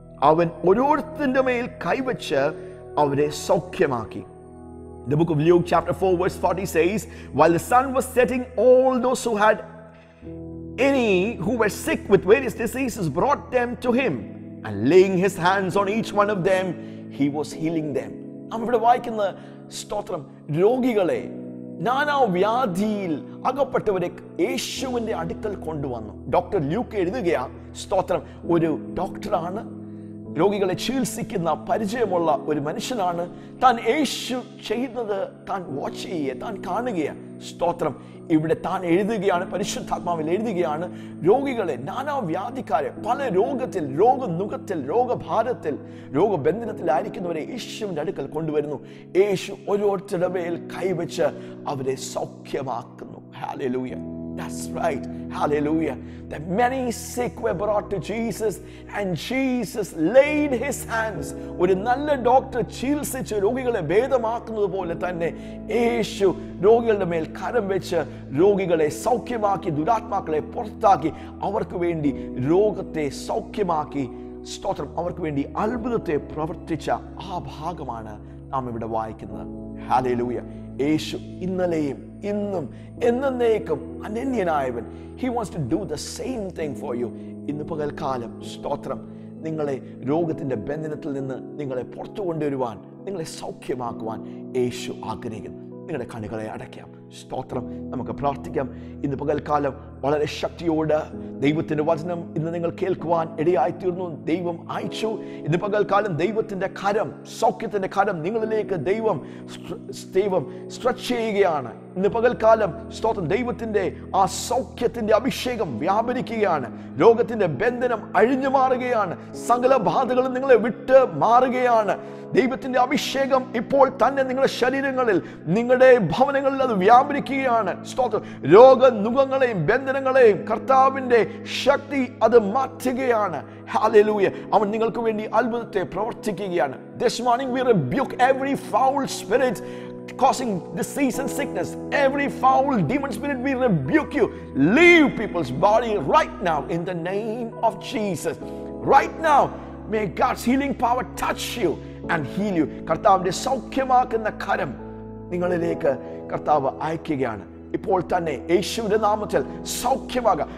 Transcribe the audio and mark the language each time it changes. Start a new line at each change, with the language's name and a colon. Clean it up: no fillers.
Malayalam: അവൻ ഓരോരുത്തരുടെ മേൽ കൈവച്ച് അവരെ സൗഖ്യമാക്കി.
English: The book of Luke chapter 4 verse 40 says, While the sun was setting, all those who had any who were sick with various diseases brought them to him. And laying his hands on each one of them, he was healing them.
Malayalam: നമ്മളിവിടെ വായിക്കുന്ന സ്തോത്രം, രോഗികളെ, നാനാ വ്യാധിയിൽ അകപ്പെട്ടവരെ യേശുവിൻ്റെ അടുക്കൽ കൊണ്ടുവന്നു. Doctor Luke എഴുതുകയാണ്. സ്തോത്രം. ഒരു ഡോക്ടറാണ്, രോഗികളെ ചികിത്സിക്കുന്ന പരിചയമുള്ള ഒരു മനുഷ്യനാണ്. താൻ യേശു ചെയ്യുന്നത് താൻ വാച്ച് ചെയ്യുക, താൻ കാണുകയാണ്. സ്തോത്രം. ഇവിടെ താൻ എഴുതുകയാണ്, പരിശുദ്ധാത്മാവിൽ എഴുതുകയാണ്, രോഗികളെ, നാനാ വ്യാധിക്കാരെ, പല രോഗത്തിൽ, രോഗനുഖത്തിൽ, രോഗഭാരത്തിൽ, രോഗബന്ധനത്തിലായിരിക്കുന്നവരെ യേശുവിൻ്റെ അടുക്കൽ കൊണ്ടുവരുന്നു. യേശു ഓരോരുത്തരുടെ മേൽ കൈവച്ച് അവരെ സൗഖ്യമാക്കുന്നു. Hallelujah.
English: That's right. Hallelujah. That many sick were brought to Jesus, and Jesus laid his hands.
Malayalam: ഒരു നല്ല ഡോക്ടർ ചികിത്സിച്ച് രോഗികളെ ഭേദമാക്കുന്നത് പോലെ തന്നെ യേശു രോഗികളുടെ മേൽ കരം വെച്ച് രോഗികളെ സൗഖ്യമാക്കി, ദുരാത്മാക്കളെ പുറത്താക്കി, അവർക്ക് വേണ്ടി രോഗത്തെ സൗഖ്യമാക്കി, സ്തോത്രം, അവർക്ക് വേണ്ടി അത്ഭുതത്തെ പ്രവർത്തിച്ച ആ ഭാഗമാണ് നാം ഇവിടെ വായിക്കുന്നത്. Hallelujah. യേശു ഇന്നലെയും ഇന്നും എന്നേക്കും അനന്യനായവൻ.
English: He wants to do the same thing for you.
Malayalam: ഇന്ന് പകൽക്കാലം, സ്തോത്രം, നിങ്ങളെ രോഗത്തിന്റെ ബന്ധനത്തിൽ നിന്ന് നിങ്ങളെ പുറത്തു കൊണ്ടുവരുവാൻ, നിങ്ങളെ സൗഖ്യമാക്കുവാൻ യേശു ആഗ്രഹിക്കുന്നു. നിങ്ങളുടെ കണ്ണുകളെ അടയ്ക്കാം. സ്തോത്രം. നമുക്ക് പ്രാർത്ഥിക്കാം. ഇന്ന് പകൽക്കാലം വളരെ ശക്തിയോടെ ദൈവത്തിന്റെ വചനം ഇന്ന് നിങ്ങൾ കേൾക്കുവാൻ ഇടയായിത്തീർന്നു. ദൈവം അയച്ചു. ഇന്ന് പകൽക്കാലം ദൈവത്തിന്റെ കരം, സൗഖ്യത്തിന്റെ കരം നിങ്ങളിലേക്ക് ദൈവം സ്ട്രെച്ച് ചെയ്യുകയാണ്. ഇന്ന് പകൽക്കാലം, സ്തോത്രം, ദൈവത്തിന്റെ ആ സൗഖ്യത്തിന്റെ അഭിഷേകം വ്യാപരിക്കുകയാണ്. രോഗത്തിന്റെ ബന്ധനം അഴിഞ്ഞു മാറുകയാണ്. സകല ബാധകളും നിങ്ങളെ വിട്ട് മാറുകയാണ്. ദൈവത്തിന്റെ അഭിഷേകം ഇപ്പോൾ തന്നെ നിങ്ങളുടെ ശരീരങ്ങളിൽ, നിങ്ങളുടെ ഭവനങ്ങളിൽ അത് വ്യാപരിക്കുകയാണ്. സ്തോത്രം. രോഗനുഖങ്ങളെയും ബന്ധനങ്ങളെയും കർത്താവിന്റെ ശക്തി അത് മാറ്റുകയാണ്. Hallelujah. അവൻ നിങ്ങൾക്ക് വേണ്ടി അത്ഭുതത്തെ പ്രവർത്തിക്കുകയാണ്.
English: This morning we rebuke every foul spirit causing disease and sickness. Every foul demon spirit, we rebuke you. Leave people's body right now in the name of Jesus. Right now, may God's healing power touch you and heal you.
Malayalam: കർത്താവിന്റെ സൗഖ്യമാക്കുന്ന കരം നിങ്ങളിലേക്ക് കർത്താവ് അയക്കുകയാണ്. ഇപ്പോൾ തന്നെ യേശുവിന്റെ നാമത്തിൽ സൗഖ്യമാകുക.